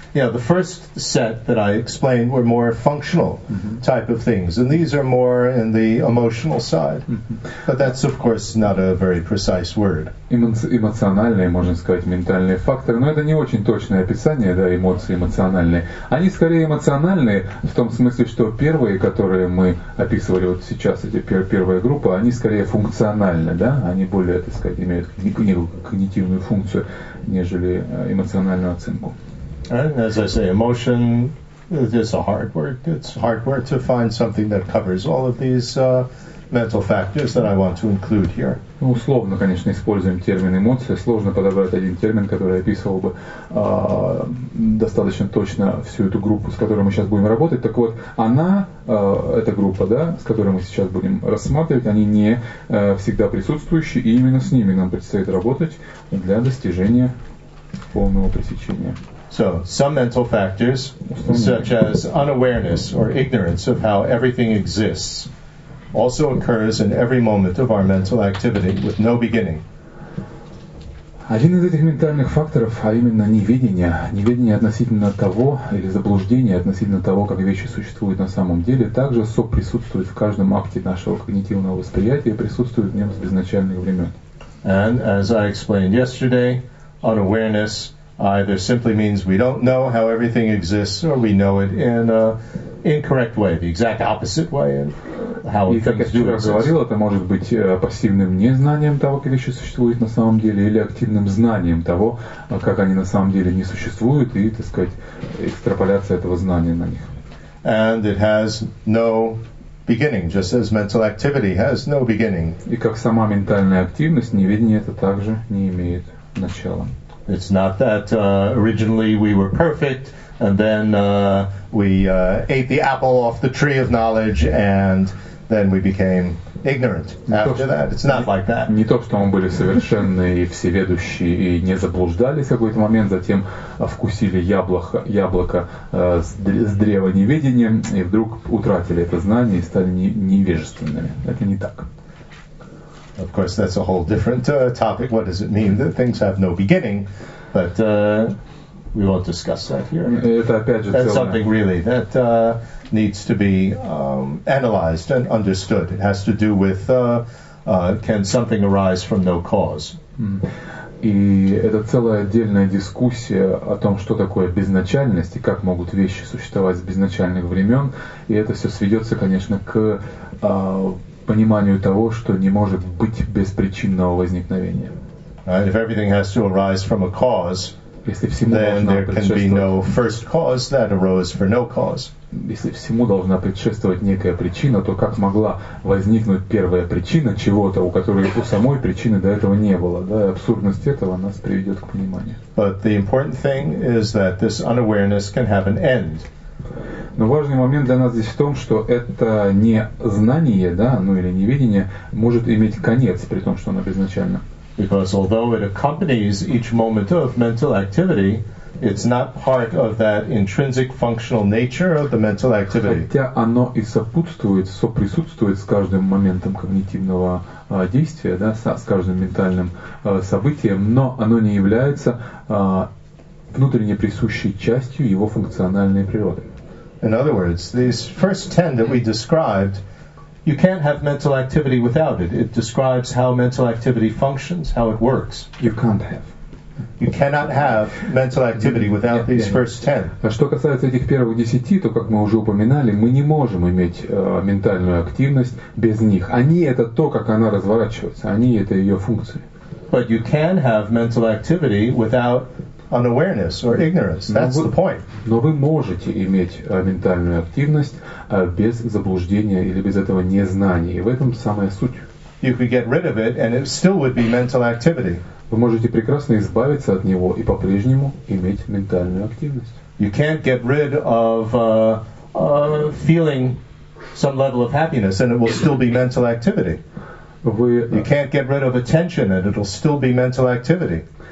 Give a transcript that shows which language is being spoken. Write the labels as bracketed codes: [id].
[en] Yeah, the first set that I explained were more functional type of things, and these are more in the emotional side. But that's, of course, not a very precise word. [ru] Эмоциональные, можно сказать, ментальные факторы, но это не очень точное описание, да, эмоции эмоциональные. Они скорее эмоциональные в том смысле, что первые, которые мы описывали вот сейчас, эти первые группы, они скорее функциональны, да, они более, так сказать, имеют когнитивную функцию, нежели эмоциональную оценку. [en] And as I say, emotion is a hard work. It's hard work to find something that covers all of these mental factors that I want to include here. [ru] Ну, условно, конечно, используем термин эмоция. Сложно подобрать один термин, который описывал бы достаточно точно всю эту группу, с которой мы сейчас будем работать. Так вот, она, эта группа, да, с которой мы сейчас будем рассматривать, они не всегда присутствующие, и именно с ними нам предстоит работать для достижения полного пресечения. [en] So, some mental factors, such as unawareness or ignorance of how everything exists, also occurs in every moment of our mental activity with no beginning. [ru] Один из этих ментальных факторов, а именно неведение, неведение относительно того, или заблуждение относительно того, как вещи существуют на самом деле, также соприсутствует в каждом акте нашего когнитивного восприятия, присутствует в нем с безначальных времен. [en] And as I explained yesterday, unawareness either simply means we don't know how everything exists, or we know it in a incorrect way, the exact opposite way in how [ru] и как я вчера говорил, это может быть пассивным незнанием того, как вещи существуют на самом деле, или активным знанием того, как они на самом деле не существуют, и, так сказать, экстраполяция этого знания на них. [en] And it has no beginning, just as mental activity has no beginning. [ru] И как сама ментальная активность, неведение это также не имеет начала. [en] It's not that originally we were perfect, and then we ate the apple off the tree of knowledge, and then we became ignorant after that. It's not like that. [ru] Не то, что мы были совершенны и всеведущие, и не заблуждались в какой-то момент, затем вкусили яблоко с древа неведения, и вдруг утратили это знание и стали невежественными. Это не так. [en] Of course, that's a whole different topic. What does it mean that things have no beginning? But we won't discuss that here. That's something really that needs to be analyzed and understood. It has to do with can something arise from no cause? [ru] И это целая отдельная дискуссия о том, что такое безначальность и как могут вещи существовать с безначальных времен. И это все сведется, конечно, к пониманию того, что не может быть беспричинного возникновения. [en] Right, if everything has to arise from a cause, [ru] если всему должна предшествовать, [en] then there can be no first cause that arose for no cause. [ru] Если всему должна предшествовать некая причина, то как могла возникнуть первая причина чего-то, у которой у самой причины до этого не было? Да, абсурдность этого нас приведет к пониманию. [en] But the important thing is that this unawareness can have an end. [ru] Но важный момент для нас здесь в том, что это незнание, да, ну или неведение, может иметь конец, при том, что оно безначально. [en] Because although it accompanies each moment of mental activity, it's not part of that intrinsic functional nature of the mental activity. [ru] Хотя оно и сопутствует, соприсутствует с каждым моментом когнитивного действия, да, с каждым ментальным событием, но оно не является внутренне присущей частью его функциональной природы. [en] In other words, these first 10 that we described, you can't have mental activity without it. It describes how mental activity functions, how it works. You can't have. You cannot have mental activity without these first 10. [ru] А что касается этих первых 10, то, как мы уже упоминали, мы не можем иметь ментальную активность без них. Они — это то, как она разворачивается. Они — это ее функции. [en] But you can have mental activity without unawareness or ignorance. That's the point. [ru] Но вы можете иметь ментальную активность без заблуждения или без этого незнания. И в этом самая суть. [en] You could get rid of it, and it still would be mental activity. [ru] Вы можете прекрасно избавиться от него и по-прежнему иметь ментальную активность. [en] You can't get rid of feeling some level of happiness, and it will still be mental activity. You can't get rid of attention, and it'll still be mental activity.